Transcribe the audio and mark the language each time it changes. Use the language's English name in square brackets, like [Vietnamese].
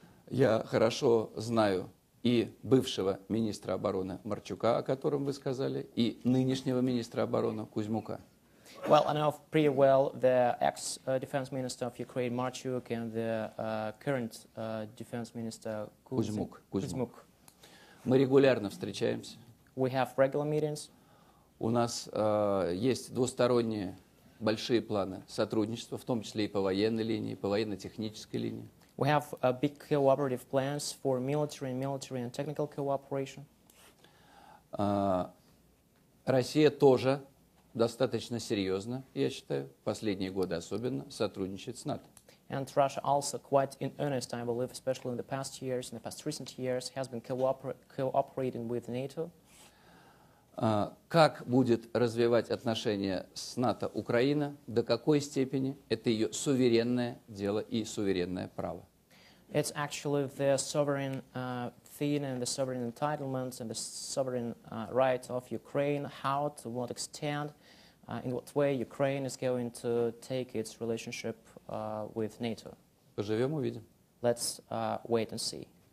[Russian] Я хорошо знаю и бывшего министра обороны Марчука, о котором вы сказали, и нынешнего министра обороны Кузьмука. [English] Well, I know pretty well the ex-defense minister of Ukraine, Marchuk, and the current defense minister, Kuzmuk. Kuzmuk. [Russian] Мы регулярно встречаемся. [English] We have regular meetings. [Russian] У нас есть двусторонние большие планы сотрудничества, в том числе и по военной линии, по военно-технической линии. [English] We have big cooperative plans for military and technical cooperation. [Russian] Россия тоже достаточно серьезно, я считаю, последние годы особенно, сотрудничает с НАТО. [English] And Russia also quite in earnest, I believe, especially in the past years, in the past recent years, has been cooperating with NATO. [Russian] Как будет развивать отношения с НАТО Украина, до какой степени, это ее суверенное дело и суверенное право. [English] It's actually the sovereign thing and the sovereign entitlements and the sovereign rights of Ukraine, how, to what extent, in what way Ukraine is going to take its relationship with NATO. [Russian] Поживем, увидим. [English] Let's wait and see.